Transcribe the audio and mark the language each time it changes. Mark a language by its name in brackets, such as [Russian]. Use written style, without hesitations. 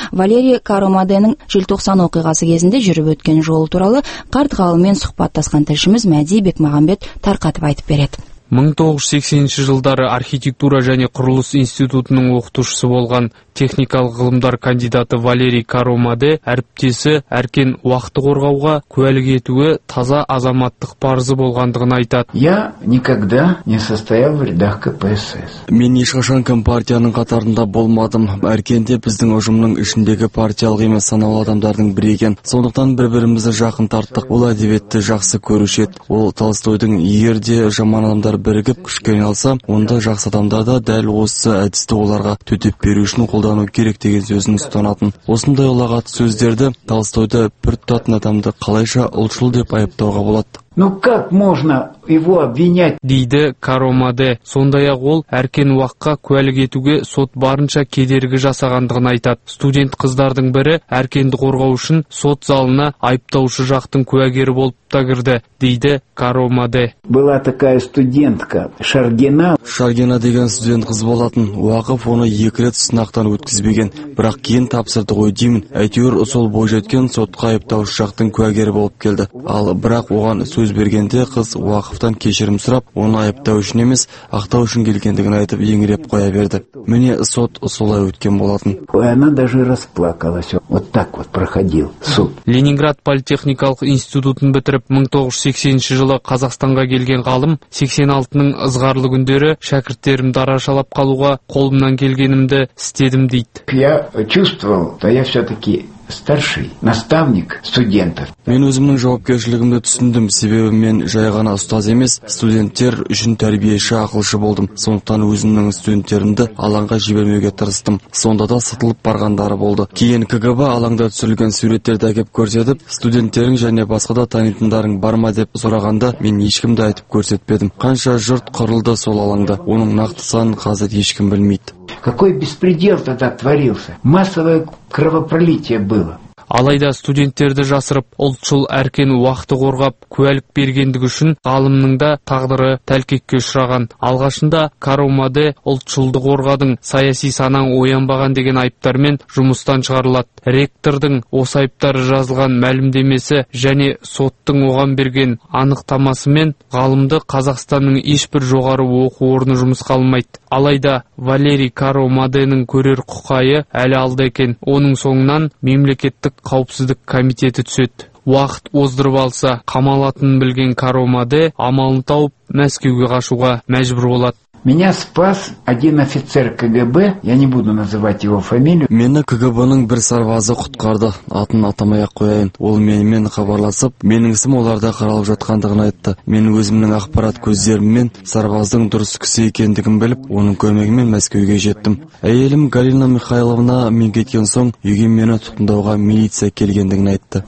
[Kazakh] Валерий Каромаденің желтоқсан оқиғасы кезінде жүріп өткен жолы туралы қарт ғалыммен сұхбаттасқан тілшіміз Мәди Бекмағамбет тарқатып айтып береді. 1980 жылдары архитектура және құрылыс институтының оқытушысы болған техникалық ғылымдар кандидаты Валерий Каромаде әріптесі әркен уақыты қорғауға куәлік етуі таза азаматтық парызы болғандығын айтады. [Russian] Я никогда не состоял в рядах КПСС. [Kazakh] Мен ешқашан компартияның қатарында болмадым. Әркенде біздің ұжымның ішіндегі партиялық емес саналы адамдардың бірі екен. Сондықтан бір-бірімізді жақын тарттық. Ол әдебиетті жақсы көруші еді. Ол Толстойдың егерде жаман адамдар бірігіп күшке айналса, онда жақсы адамдар да дәл осы әдісті оларға төтеп беру үшін қолдану керек деген сөзін ұстанатын. Осындай ұлағат сөздерді Толстойды бір тұтатын адамды қалайша ұлтшыл деп айыптауға болады. [Russian] Ну как можно его обвинять? [Kazakh] Дейді Каромаде. Сондай-ақ ол әркен уаққа куәлік етуге сот барынша кедергі жасағандығын айтады. Студент қыздардың бірі әркенді қорғау үшін сот залына айыптаушы жақтың куәгері болып та кірді, дейді Каромаде. [Russian] Была такая студентка Шаргина. [Kazakh] Шаргина деген студент қыз болатын. Уақыф оны екі рет сынақтан өткізбеген, бірақ кейін тапсырды ғой деймін. Әйтеуір сол бойжеткен сотқа айыптаушы жақтың куәгері болып келді. Ал бірақ оған сөз бергенде қыз Уақыфтан кешірім сұрап, оны айыптау үшін емес, ақтау үшін келгендігін айтып еңіреп қоя берді. Міне сот солай өткен болатын. [Russian] Она даже расплакалась. Вот так вот проходил суд. [Kazakh] Ленинград политехникалық институтын бітіріп, 1980 жылы Қазақстанға келген ғалым, 86-ның ызғарлы күндері шәкірттерімді арашалап қалуға қолымнан келгенімді істедім дейді. [Russian] Я чувствовал, да я все-таки старший наставник студентов. [Kazakh] Мен өзімнің жауапкершілігімді түсіндім, себебі мен жай ғана ұстаз емес, студенттер үшін тәрбиеші ақылшы болдым. Сондықтан өзімнің студенттерімді алаңға жібермеуге тырыстым. Сонда да сытылып барғандары болды. Кейін КГБ алаңда түсірілген суреттерді әкеп көрсетіп, студенттерің және басқа да танитындарың бар ма деп сұрағанда, мен ешкімді айтып көрсетпедім. Қанша жұрт қырылды сол алаңда, оның нақты санын қазір ешкім білмейді. [Russian] Какой беспредел тогда творился? Массовое кровопролитие было. [Kazakh] Алайда студенттерді жасырып, ұлтшыл әркен уақыты қорғап, куәлік бергендігі үшін ғалымның да тағдыры тәлкекке ұшыраған. Алғашында Каромаде ұлтшылды қорғадың, саяси санаң оянбаған деген айыптармен жұмыстан шығарылады. Ректордың осы айыптары жазылған мәлімдемесі және соттың оған берген анықтамасымен ғалымды Қазақстанның ешбір жоғары оқу орны жұмысқа алмайды. Алайда Валерий Каромаденің көрер құқайы әлі алда екен. Оның соңынан мемлекеттік қауіпсіздік комитеті түседі. Уақыт оздырып алса, қамалатынын білген Каромаде амалын тауып Мәскеуге қашуға мәжбүр болады. [Russian] Меня спас один офицер КГБ, я не буду называть его фамилию. [Kazakh] Мені КГБ-ның бір сарбазы құтқарды, атын атамай-ақ қояйын. Ол менімен хабарласып, менің ісім оларда қаралып жатқандығын айтты. Мен өзімнің ақпарат көздеріммен сарбаздың дұрыс кісі екендігін біліп, оның көмегімен Мәскеуге жеттім. Әйелім Галина Михайловна мен кеткен соң, үйге мені тұтқындауға милиция келгендігін айтты.